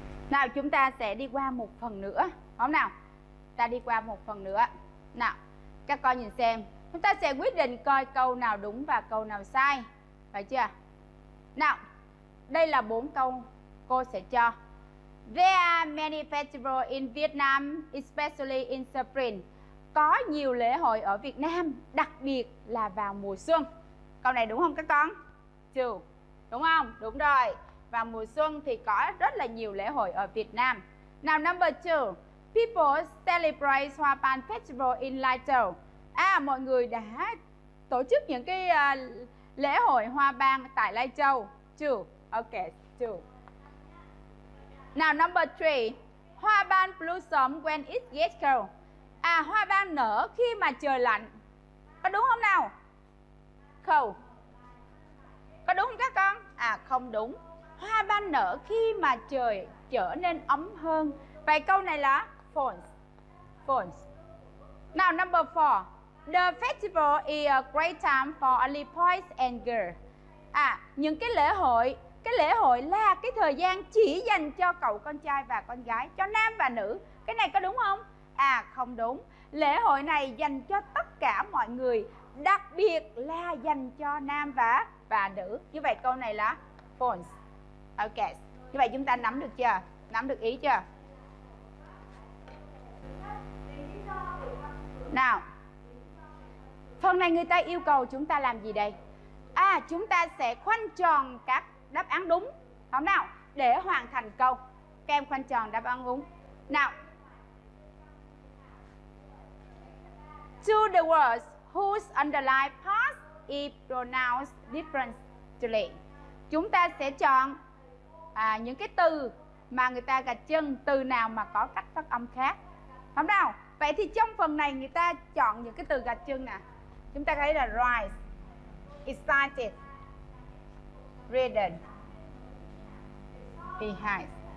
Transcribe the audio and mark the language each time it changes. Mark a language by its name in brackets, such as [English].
[Vietnamese] Nào, chúng ta sẽ đi qua một phần nữa, không nào? Ta đi qua một phần nữa. Nào, các con nhìn xem, chúng ta sẽ quyết định coi câu nào đúng và câu nào sai, phải chưa? Nào, đây là bốn câu cô sẽ cho. [English] There are many festivals in Vietnam, especially in spring. [Vietnamese] Có nhiều lễ hội ở Việt Nam, đặc biệt là vào mùa xuân. Câu này đúng không các con? [English] True. [Vietnamese] Đúng không? Đúng rồi. Vào mùa xuân thì có rất là nhiều lễ hội ở Việt Nam. [English] Now number 2. People celebrate Hoa Ban Festival in Lai Châu. [Vietnamese] À, mọi người đã tổ chức những cái lễ hội Hoa Ban tại Lai Châu. [English] True. Ok, true. Now number 3. Hoa Ban blossom when it gets cold. [Vietnamese] À, Hoa Ban nở khi mà trời lạnh. Có đúng không nào? Cold. Có đúng không các con? À, không đúng. Hoa ban nở khi mà trời trở nên ấm hơn. Vậy câu này là [English] false. False. Now number 4. The festival is a great time for early boys and girls. [Vietnamese] À, những cái lễ hội là cái thời gian chỉ dành cho cậu con trai và con gái, cho nam và nữ. Cái này có đúng không? À, không đúng. Lễ hội này dành cho tất cả mọi người, đặc biệt là dành cho nam và nữ. Như vậy câu này là false. Ok, như vậy chúng ta nắm được chưa? Nắm được ý chưa? Nào, phần này người ta yêu cầu chúng ta làm gì đây? À, chúng ta sẽ khoanh tròn các đáp án đúng, không nào? Để hoàn thành câu, các em khoanh tròn đáp án đúng. [English] Nào, to the words whose underlined parts is pronounced differently. [Vietnamese] Chúng ta sẽ chọn những cái từ mà người ta gạch chân, từ nào mà có cách phát âm khác, không nào? Vậy thì trong phần này người ta chọn những cái từ gạch chân nè. Chúng ta thấy là rise, excited, ridden, behind.